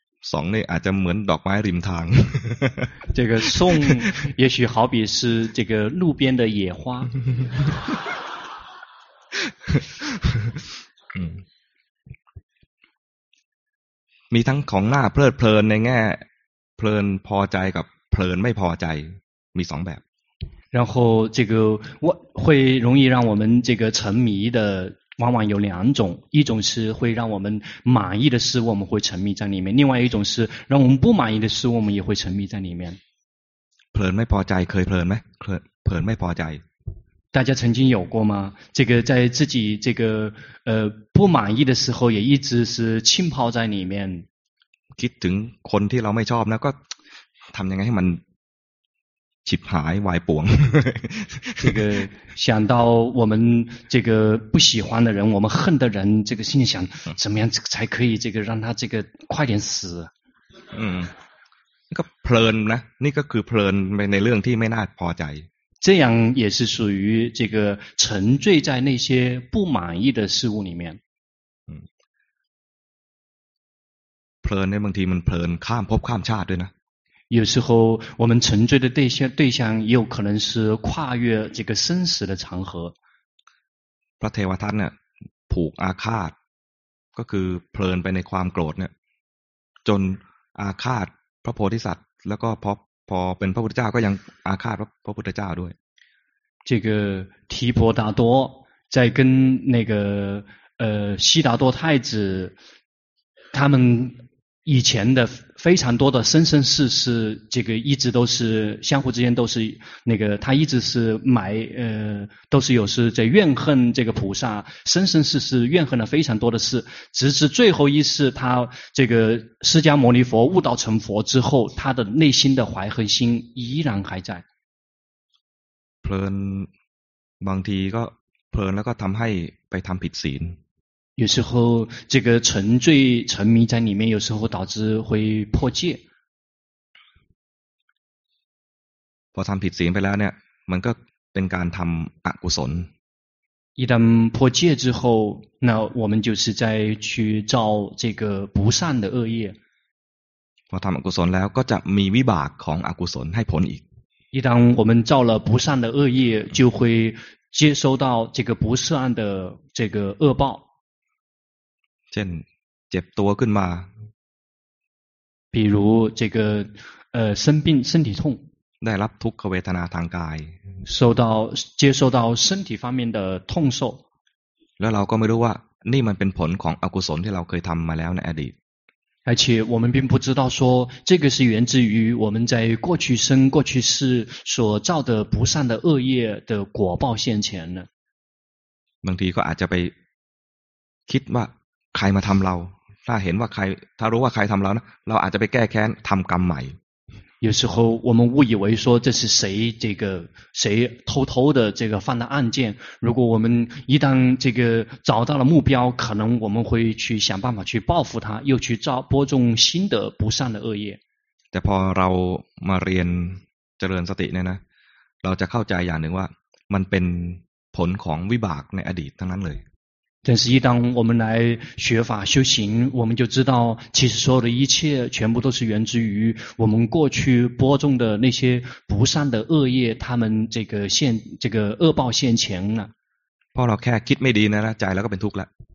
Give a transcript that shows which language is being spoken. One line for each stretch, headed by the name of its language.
Thai: สองนี่อาจจะเหมือนดอกไม้ริมทาง
Chinese: 这个送也许好比是这个路边的野花
Thai: มีทั้งของหน้าเพลิดเพลินในแง่เพลินพอใจกับเพลินไม่พอใจมีสองแบบ
Chinese: 然后这个会容易让我们这个沉迷的往往有两种一种是会让我们满意的事我们会沉迷在里面另外一种是让我们不满意的事我们也会沉迷在里面
Thai: เพลินไม่พอใจเคยเพลินไหมเพลินไม่พอใจ
Chinese: 大家曾经有过吗这个在自己这个不满意的时候也一直是浸泡在里面
Thai: คิดถึงคนที่เราไม่ชอบแล้วก็ทำยังไงให้มันฉิบหายวายป่วง
Chinese: 这个想到我们这个不喜欢的人我们恨的人这个心想怎么样才可以这个让他这个快点死
Thai: 嗯ก็เพลินนะนี่ก็คือเพลินไปในเรื่องที่ไม่น่าพอใจ
Chinese: 这样也是属于这个沉醉在那些不满意的事物里面
Thai: เพลินในบางทีมันเพลินข้ามภพข้ามชาติด้วยนะ
Chinese: 有时候我们沉醉的对象也有可能是跨越这个生死的长河
Thai: พระเทวทัตเนี่ยผูกอาฆาตก็คือเพลินไปในความโกรธเนี่ยจนอาฆาตพระโพธิสัตว์แล้วก็พอเป็นพระพุทธเจ้าก็ยังอาฆาตพระพุทธเจ้าด้วย
Chinese: 这个提婆达多在跟那个悉达多太子他们以前的非常多的生生世世，这个一直都是相互之间都是那个，他一直是都是有时在怨恨这个菩萨，生生世世怨恨了非常多的事，直至最后一世，他这个释迦牟尼佛悟道成佛之后，他的内心的怀恨心依然还在。
Thai: เพลินบางทีก็เพลินแล้วก็ทำให้ไปทำผิดศีล
Chinese: 有时候这个沉醉沉迷在里面有时候导致会破戒
Thai: พอทำผิดศีลไปแล้วเนี่ยมันก็เป็นการทำอกุศล
Chinese: 一旦破戒之后那我们就是在去造这个不善的恶业
Thai: พอทำอกุศลแล้วก็จะมีวิบากของอกุศลให้ผลอีก
Chinese: 一旦我们造了不善的恶业就会接收到这个不善的这个恶报
Thai: เช่นเจ็บตัวขึ้นมา
Chinese: 比如这个生病身体痛
Thai: ได้รับทุกขเวทนาทางกาย
Chinese: 受到接受到身体方面的痛受
Thai: แล้วเราก็ไม่รู้ว่านี่มันเป็นผลของอกุศลที่เราเคยทำมาแล้วในอดีต
Chinese: 而且我们并不知道说这个是源自于我们在过去生过去世所造的不善的恶业的果报现前呢
Thai: บางทีก็อาจจะไปคิดว่าใครมาทำเราถ้าเห็นว่าใครถ้ารู้ว่าใครทำเรานะเราอาจจะไปแก้แค้นทำกรรมใหม่
Chinese: 有时候我们误以为说这是谁这个谁偷偷的这个犯的案件，如果我们一旦这个找到了目标，可能我们会去想办法去报复他，又去造播种新的不善的恶业。
Thai: แต่พอเรามาเรียนเจริญสติเนี่ยนะเราจะเข้าใจอย่างหนึ่งว่ามันเป็นผลของวิบากในอดีตทั้งนั้นเลย
Chinese: 但是一旦我们来学法修行，我们就知道其实所有的一切全部都是源自于我们过去播种的那些不善的恶业，他们这个现这个恶报现前了。
Thai: พอเราแค่คิดไม่ดีนะใจเราก็เป็นทุกข์ละ